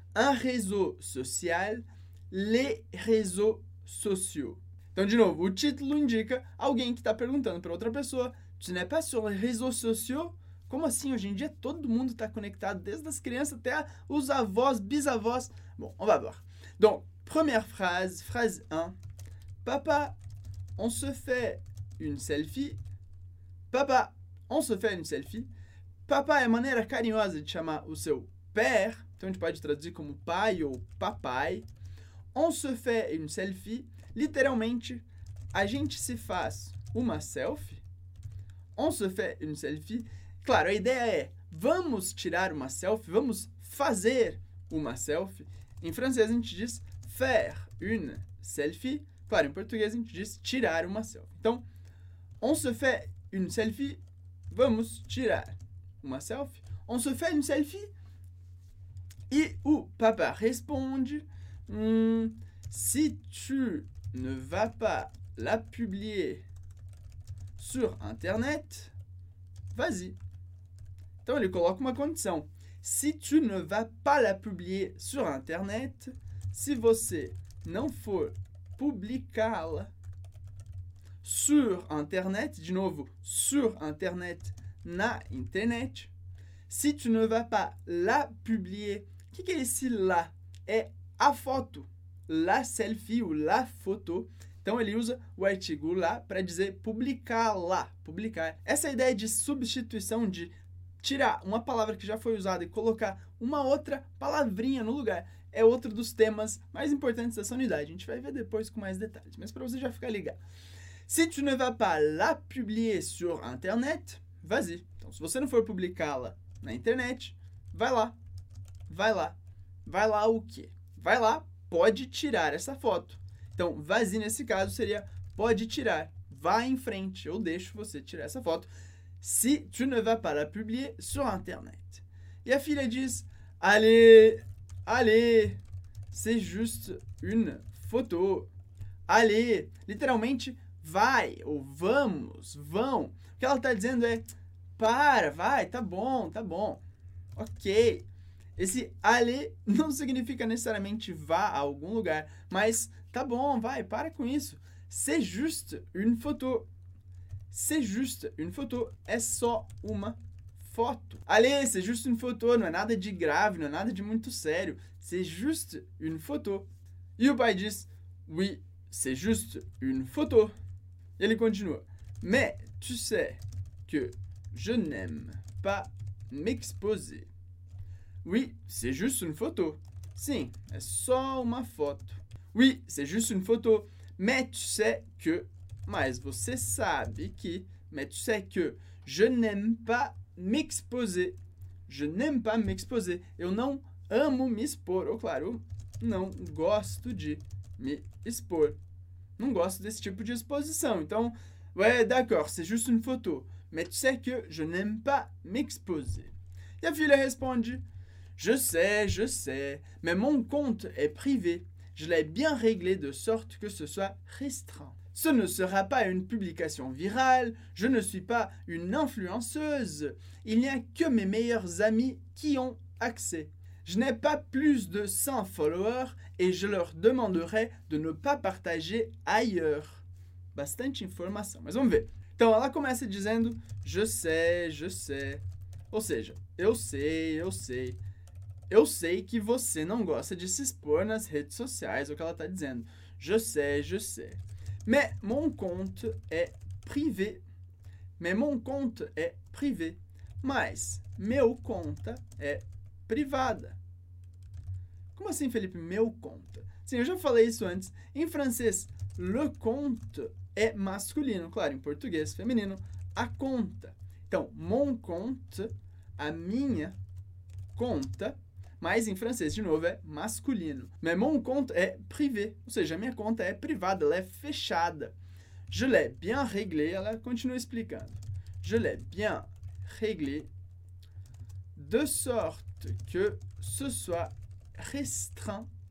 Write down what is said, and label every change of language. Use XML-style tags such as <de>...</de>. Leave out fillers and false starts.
<fr>Un réseau social, les réseaux sociaux.</fr> <pt>Então, de novo, o título indica alguém que está perguntando para outra pessoa.</pt> <fr>Tu n'es pas sur les réseaux sociaux?</fr> <pt>Como assim? Hoje em dia todo mundo está conectado, desde as crianças até os avós, bisavós. Bom,</pt> <fr>on va voir. Donc, première phrase, phrase 1. Papa, on se fait une selfie. Papa, on se fait une selfie.</fr> <pt>Papa é maneira carinhosa de chamar o seu père. Então, a gente pode traduzir como pai ou papai.</pt> <fr>On se fait une selfie.</fr> <pt>Literalmente, a gente se faz uma selfie.</pt> <fr>On se fait une selfie.</fr> <pt>Claro, a ideia é, vamos tirar uma selfie, vamos fazer uma selfie. Em francês, a gente diz</pt> <fr>faire une selfie.</fr> <pt>Claro, em português, a gente diz tirar uma selfie. Então,</pt> <fr>on se fait une selfie,</fr> <pt>vamos tirar uma selfie.</pt> <fr>On se fait une selfie.</fr> <pt>E o papa responde,</pt> <fr>si tu ne vas pas la publier sur internet, vas-y.</fr> <pt>Então, ele coloca uma condição.</pt> <fr>Si tu ne vas pas la publier sur internet,</fr> <pt>se você não for publicá-la</pt> <fr>sur internet,</fr> <pt>de novo,</pt> <fr>sur internet,</fr> <pt>na internet,</pt> <fr>si tu ne vas pas la publier,</fr> <pt>o que, que é esse la? É a foto,</pt> <fr>la selfie ou la photo.</fr> <pt>Então, ele usa o artigo la para dizer publicá-la, publicar. Essa ideia de substituição, de tirar uma palavra que já foi usada e colocar uma outra palavrinha no lugar, é outro dos temas mais importantes dessa unidade. A gente vai ver depois com mais detalhes, mas para você já ficar ligado.</pt> <fr>Si tu ne vas pas la publier sur internet, vas-y.</fr> <pt>Então, se você não for publicá-la na internet, vai lá. Vai lá. Vai lá o quê? Vai lá, pode tirar essa foto. Então, vas-y nesse caso seria pode tirar. Vá em frente, eu deixo você tirar essa foto.</pt> <fr>Si tu ne vas pas la publier sur internet.</fr> <pt>E a filha diz,</pt> <fr>allez, allez, c'est juste une photo.</fr> <pt>Allez, literalmente, vai ou vamos, vão. O que ela está dizendo é, para, vai, tá bom, ok. Esse allez não significa necessariamente vá a algum lugar, mas tá bom, vai, para com isso.</pt> <fr>C'est juste une photo. C'est juste une photo,</fr> <pt>é só uma foto.</pt> <fr>Allez, c'est juste une photo,</fr> <pt>não é nada de grave, não é nada de muito sério.</pt> <fr>C'est juste une photo.</fr> <pt>E o pai diz,</pt> <fr>oui, c'est juste une photo.</fr> <pt>E ele continua,</pt> <fr>mais tu sais que je n'aime pas m'exposer. Oui, c'est juste une photo.</fr> <pt>Sim, é só uma foto.</pt> <fr>Oui, c'est juste une photo, mais tu sais que...</fr> <pt>Mas você sabe que,</pt> <fr>mais tu sais que, je n'aime pas m'exposer. Je n'aime pas m'exposer.</fr> <pt>Eu não amo me expor. Ou, claro, não gosto de me expor. Não gosto desse tipo de exposição. Então,</pt> <fr>ouais, d'accord, c'est juste une photo. Mais tu sais que, je n'aime pas m'exposer.</fr> <pt>E a filha responde,</pt> <fr>je sais, mais mon compte est privé. Je l'ai bien réglé de sorte que ce soit restreint. Ce ne sera pas une publication virale, je ne suis pas une influenceuse, il n'y a que mes meilleurs amis qui ont accès. Je n'ai pas plus de 100 followers et je leur demanderai de ne pas partager ailleurs.</fr> <pt>Bastante informação, mas vamos ver. Então, ela começa dizendo,</pt> <fr>je sais,</fr> <pt>ou seja, eu sei que você não gosta de se expor nas redes sociais, é o que ela está dizendo, je sais.</pt> <fr>Mais mon compte est privé. Mais mon compte est privé.</fr> <pt>Mas meu conta é privada. Como assim, Felipe? Meu conto. Sim, eu já falei isso antes. Em francês, le compte é masculino. Claro, em português, feminino, a conta. Então, mon compte, a minha conta. Mas em francês, de novo, é masculino.</pt> <fr>Mais mon compte</fr> <pt>é privé. Ou seja, a minha conta é privada, ela é fechada.</pt> <fr>Je l'ai bien réglé.</fr> <pt>Ela continua explicando.</pt> <fr>Je l'ai bien réglé. De sorte que ce soit restreint.</fr>